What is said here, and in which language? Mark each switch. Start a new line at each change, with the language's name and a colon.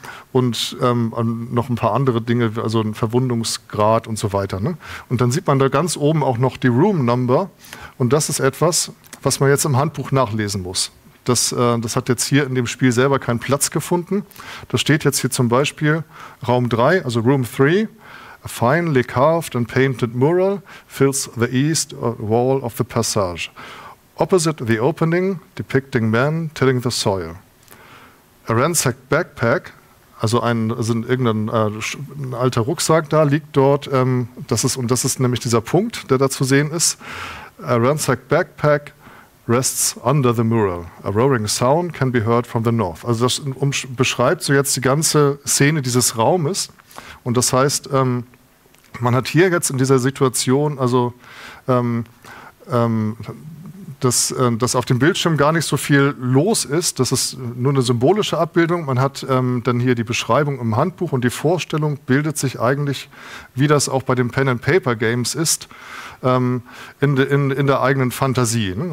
German: Und noch ein paar andere Dinge, also ein Verwundungsgrad und so weiter. Ne? Und dann sieht man da ganz oben auch noch die Room Number und das ist etwas, was man jetzt im Handbuch nachlesen muss. Das hat jetzt hier in dem Spiel selber keinen Platz gefunden. Das steht jetzt hier zum Beispiel Raum 3, also Room 3.
English: A finely carved and painted mural fills the east wall of the passage. Opposite the opening, depicting men tilling the soil. A ransacked backpack,
German: ein alter Rucksack da, liegt dort. Das ist nämlich dieser Punkt, der da zu sehen ist.
English: A ransacked backpack rests under the mural. A roaring sound can be heard from the north.
German: Also das beschreibt so jetzt die ganze Szene dieses Raumes. Und das heißt, man hat hier jetzt in dieser Situation, also dass auf dem Bildschirm gar nicht so viel los ist. Das ist nur eine symbolische Abbildung. Man hat dann hier die Beschreibung im Handbuch und die Vorstellung bildet sich eigentlich, wie das auch bei den Pen-and-Paper-Games ist, in der eigenen Fantasie. Ne?